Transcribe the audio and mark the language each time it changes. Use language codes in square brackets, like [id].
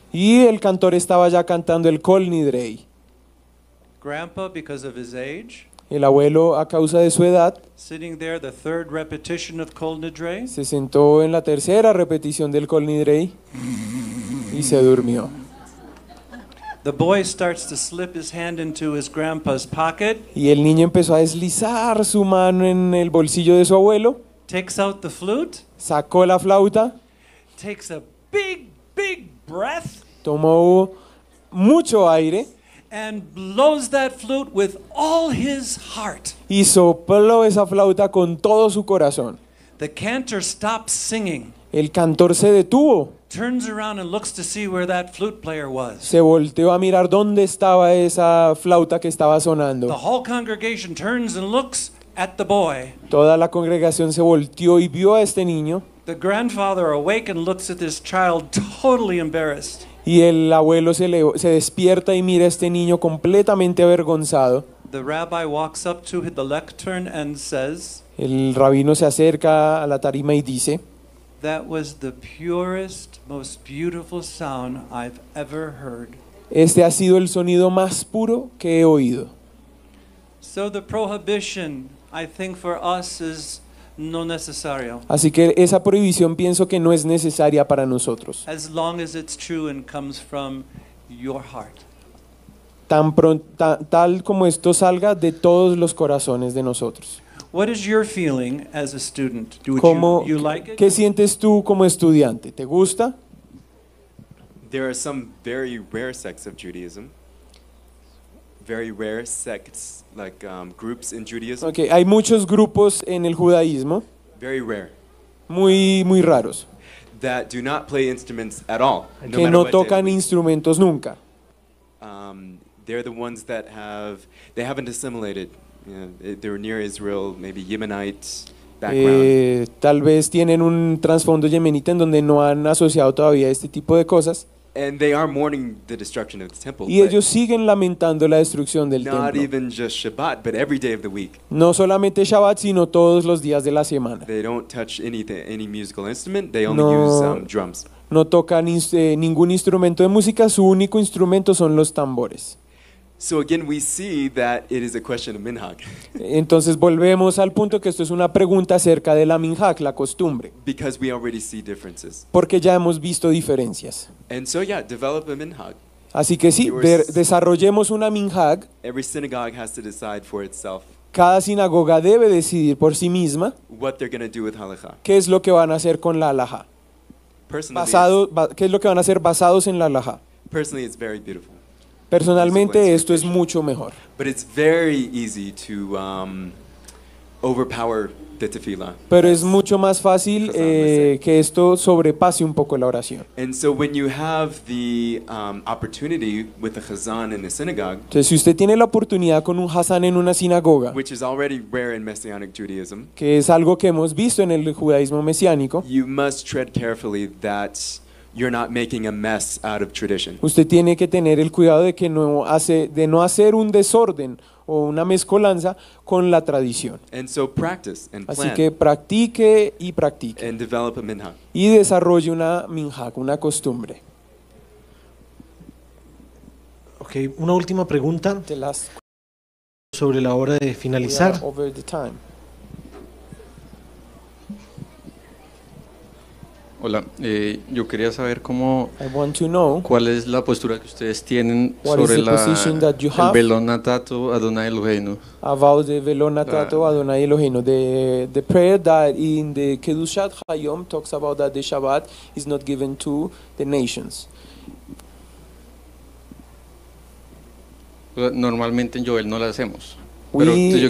[es] Y el cantor estaba ya cantando el Kol Nidrei. [en] Grandpa, because of his age, [es] el abuelo, a causa de su edad, [en] sitting there, the third repetition of Kol Nidrei, [es] se sentó en la tercera repetición del Kol Nidrei y se durmió. [en] The boy starts to slip his hand into his grandpa's pocket, [es] y el niño empezó a deslizar su mano en el bolsillo de su abuelo. [en] Takes out the flute, [es] sacó la flauta, [en] takes a big, big breath, [es] tomó mucho aire. [en] And blows that flute with all his heart. [es] Y sopló esa flauta con todo su corazón. [en] The cantor stops singing. [es] El cantor se detuvo. [en] Turns around and looks to see where that flute player was. [es] Se volteó a mirar dónde estaba esa flauta que estaba sonando. [en] The whole congregation turns and looks at the boy. [es] Toda la congregación se volteó y vio a este niño. [en] The grandfather awake and looks at this child totally embarrassed. [es] Y el abuelo se despierta y mira a este niño completamente avergonzado. [en] The rabbi walks up to the lectern and says, [es] el rabino se acerca a la tarima y dice, [en] that was the purest, most beautiful sound I've ever heard. [es] Este ha sido el sonido más puro que he oído. [en] So the prohibition, I think, for us is [es] no necesario. Así que esa prohibición pienso que no es necesaria para nosotros. [en] As long as it's true and comes from your heart. [es] Tal como esto salga de todos los corazones de nosotros. [en] What is your feeling as a student? Do you like it? [es] ¿Qué sientes tú como estudiante? ¿Te gusta? [en] There are some very rare sects of Judaism. Very rare sects, like groups in Judaism. [es] Okay, hay muchos grupos en el judaísmo. [en] Very rare. [es] Muy raros. [en] That do not play instruments at all. [es] Que no tocan instrumentos nunca. [en] They're the ones that haven't assimilated. You know, they're near Israel, maybe Yemenite background. [es] Tal vez tienen un trasfondo yemenita en donde no han asociado todavía este tipo de cosas. [en] And they are mourning the destruction of the temple. [es] Y ellos siguen lamentando la destrucción del templo. [en] Not even just Shabbat, but every day of the week. [es] No solamente Shabbat, sino todos los días de la semana. [en] They don't touch any musical instrument. They only use drums. [es] No tocan ningún instrumento de música. Su único instrumento son los tambores. [en] So again, we see that it is a question of minhag. [es] Entonces volvemos al punto que esto es una pregunta acerca de la minhag, la costumbre. [en] Because we already see differences. [es] Porque ya hemos visto diferencias. [en] And so yeah, develop a minhag. [es] Así que sí, desarrollemos una minhag. [en] Every synagogue has to decide for itself. [es] Cada sinagoga debe decidir por sí misma [en] what they're going to do with halajá. [es] ¿Qué es lo que van a hacer con la halajá? [en] Personally, [es] ¿qué es lo que van a hacer basados en la halajá? [en] Personally, it's very beautiful. [es] Personalmente esto es mucho mejor. [en] But it's very easy to overpower the tefila. [es] Pero es mucho más fácil que esto sobrepase un poco la oración. [en] And so when you have the opportunity with the chazan in the synagogue. [es] Entonces si usted tiene la oportunidad con un chazan en una sinagoga. [en] Which is already rare in messianic Judaism. [es] Que es algo que hemos visto en el judaísmo mesiánico. [en] You must tread carefully that you're not making a mess out of tradition. [es] Usted tiene que tener el cuidado de que no hace, de no hacer un desorden o una mezcolanza con la tradición. [en] And so practice and plan. [es] Así que practique y practique. [en] And develop a minhag. [es] Y desarrolle una minhag, una costumbre. Okay, una última pregunta sobre la hora de finalizar. [en] Over the time. [es] Hola, yo quería saber cómo, [en] I want to know, [es] cuál es la postura que ustedes tienen sobre la velonatato Adonai Eloheinu. [en] About the velonatato Adonai Eloheinu, the prayer that in the Kedushat Hayom talks about that the Shabbat is not given to the nations. [es] Normalmente en Joel no la hacemos. [en] We